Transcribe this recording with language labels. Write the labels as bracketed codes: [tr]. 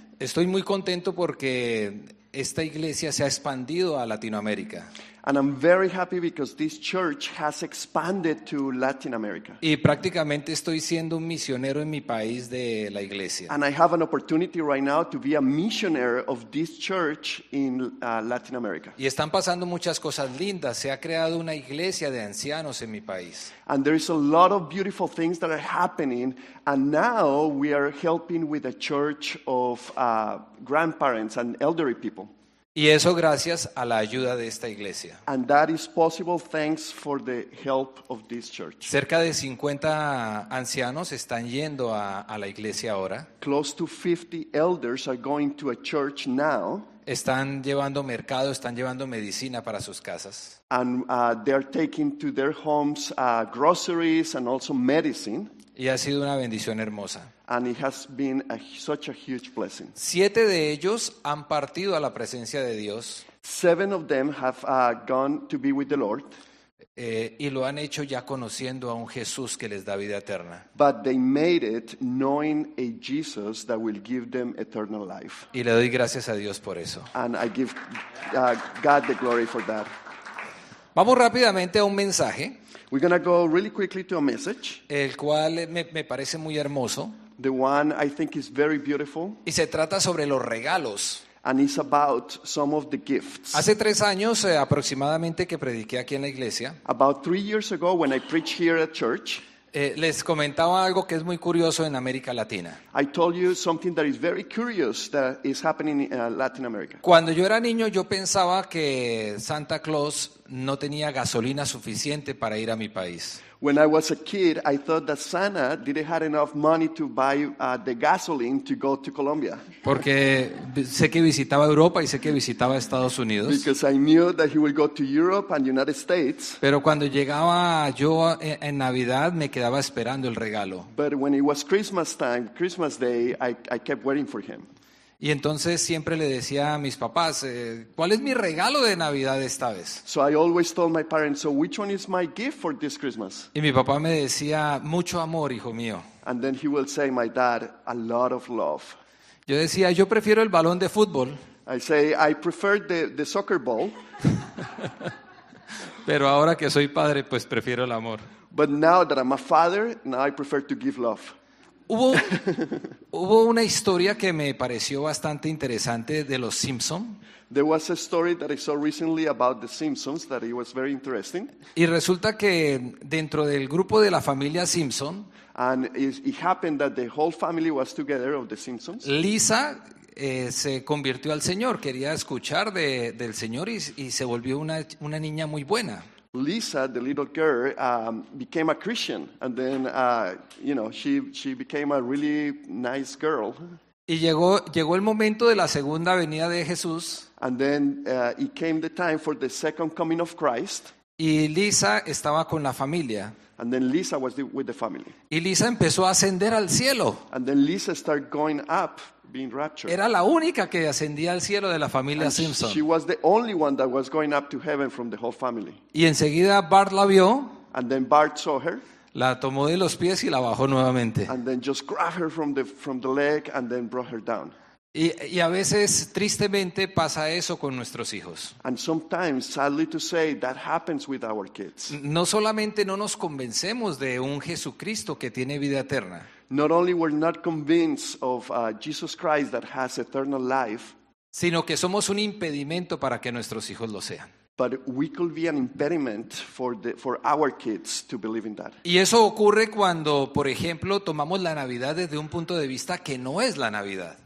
[es] Estoy muy contento porque esta iglesia se ha expandido a Latinoamérica. [en] And I'm very happy because this church has expanded to Latin America. [es] Y prácticamente estoy siendo un misionero en mi país de la iglesia. [en] And I have an opportunity right now to be a missionary of this church in Latin America. [es] Y están pasando muchas cosas lindas. Se ha creado una iglesia de ancianos en mi país. [en] And there is a lot of beautiful things that are happening. And now we are helping with a church of grandparents and elderly people. [es] Y eso gracias a la ayuda de esta iglesia. [en] And that is possible thanks for the help of this church. [es] Cerca de 50 ancianos están yendo a la iglesia ahora. [en] Close to 50 elders are going to a church now. [es] Están llevando mercado, están llevando medicina para sus casas. [en] And they are taking to their homes groceries and also medicine. [es] Y ha sido una bendición hermosa. [en] And it has been such a huge blessing. [es] 7 de ellos han partido a la presencia de Dios. [en] 7 of them have gone to be with the Lord. [es] Y lo han hecho ya conociendo a un Jesús que les da vida eterna. [en] But they made it knowing a Jesus that will give them eternal life. [es] Y le doy gracias a Dios por eso. [en] And I give God the glory for that. [es] Vamos rápidamente a un mensaje. [en] We're going to go really quickly to a message. [es] El cual me parece muy hermoso. [en] The one I think is very beautiful. [es] Y se trata sobre los regalos. [en] And it's about some of the gifts. [es] Hace 3 años aproximadamente que prediqué aquí en la iglesia. [en] About 3 years ago when I preached here at church. [es] Les comentaba algo que es muy curioso en América Latina. [en] I told you something that is very curious that is happening in Latin America. [es] Cuando yo era niño, yo pensaba que Santa Claus no tenía gasolina suficiente para ir a mi país. [en] When I was a kid, I thought that Santa didn't have enough money to buy the gasoline to go to Colombia. [es] Porque sé que visitaba Europa y sé que visitaba Estados Unidos. [en] Because I knew that he would go to Europe and United States. [es] Pero cuando llegaba yo en Navidad, me quedaba esperando el regalo. [en] But when it was Christmas time, Christmas Day, I kept waiting for him. [es] Y entonces siempre le decía a mis papás, ¿cuál es mi regalo de Navidad esta vez? [en] So I always told my parents, so which one is my gift for this Christmas? [es] Y mi papá me decía, mucho amor, hijo mío. [en] And then he will say, my dad, a lot of love. [es] Yo decía, yo prefiero el balón de fútbol. [en] I say, I prefer the soccer ball. [es] Pero ahora que soy padre, pues prefiero el amor. [en] But now that I'm a father, now I prefer to give love. [es] Hubo una historia que me pareció bastante interesante de los Simpson. [en] There was a story that I saw recently about the Simpsons that it was very interesting. [es] Y resulta que dentro del grupo de la familia Simpson, [en] and it happened that the whole family was together of the Simpsons. [es] Lisa se convirtió al Señor, quería escuchar del Señor y se volvió una niña muy buena. [en] Lisa, the little girl, became a Christian, and then, she became a really nice girl. [es] Y llegó el momento de la segunda venida de Jesús. [en] And then it came the time for the second coming of Christ. [es] Y Lisa estaba con la familia. [en] And then Lisa was with the family. [es] Y Lisa empezó a ascender al cielo. [en] And then Lisa started going up. Being raptured. [es] Era la única que ascendía al cielo de la familia [en] and [es] Simpson. [en] She was the only one that was going up to heaven from the whole family. [es] Y enseguida Bart la vio. [en] And then Bart saw her. [es] La tomó de los pies y la bajó nuevamente. [en] And then just grabbed her from the leg and then brought her down. [es] Y a veces, tristemente, pasa eso con nuestros hijos. [en] And sometimes, sadly to say, that happens with our kids. [es] No solamente no nos convencemos de un Jesucristo que tiene vida eterna. [en] Not only we're not convinced of Jesus Christ that has eternal life, [es] sino que somos un impedimento para que nuestros hijos lo sean. [en] But we could be an impediment for our kids to believe in that. [es] Y eso ocurre cuando, por ejemplo, tomamos la Navidad desde un punto de vista que no es la Navidad.